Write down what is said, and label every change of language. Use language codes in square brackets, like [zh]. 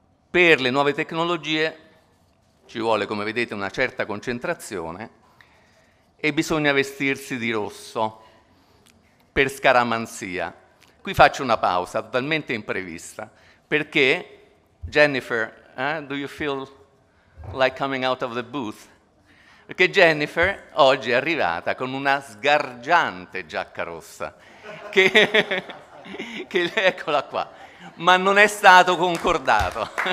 [it] Per le nuove tecnologie ci vuole, come vedete, una certa concentrazione e bisogna vestirsi di rosso per scaramanzia. Qui faccio una pausa totalmente imprevista. [en] Perché, Jennifer, do you feel like coming out of the booth? [it] Perché Jennifer oggi è arrivata con una sgargiante giacca rossa. Che eccola qua. Ma non è stato concordato.